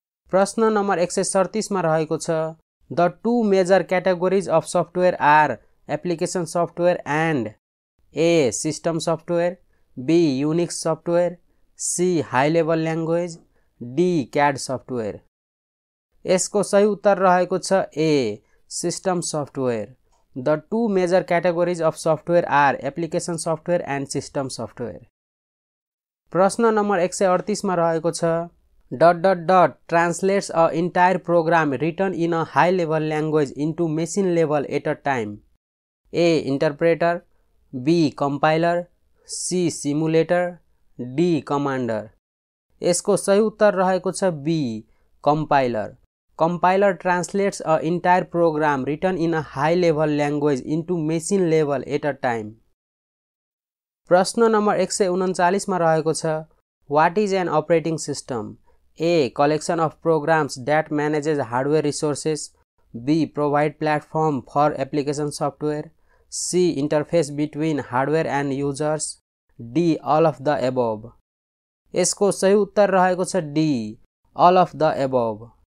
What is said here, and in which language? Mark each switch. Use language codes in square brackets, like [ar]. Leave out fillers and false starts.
[ne] प्रश्न नंबर 137 मा रहेको छ, [en] The two major categories of software are application software and. A system software, B Unix software, C high level language, D CAD software. [ne] यसको सही उत्तर रहेको छ [en] A system software. The two major categories of software are application software and system software. [ne] प्रश्न number 138 मा रहेको छ, [en] Dot dot dot translates a entire program written in a high level language into machine level at a time. A interpreter, B compiler, C simulator, D commander. [ne] इसको सही उत्तर रहेको छ [en] B compiler. Compiler translates a entire program written in a high level language into machine level at a time. [ne] प्रश्न number 139 मा रहेको छ, [en] What is an operating system. A collection of programs that manages hardware resources, B provide platform for application software, C interface between hardware and users, D all of the above. [ne] इसको सही उत्तर रहेको छ [en] D all of the above.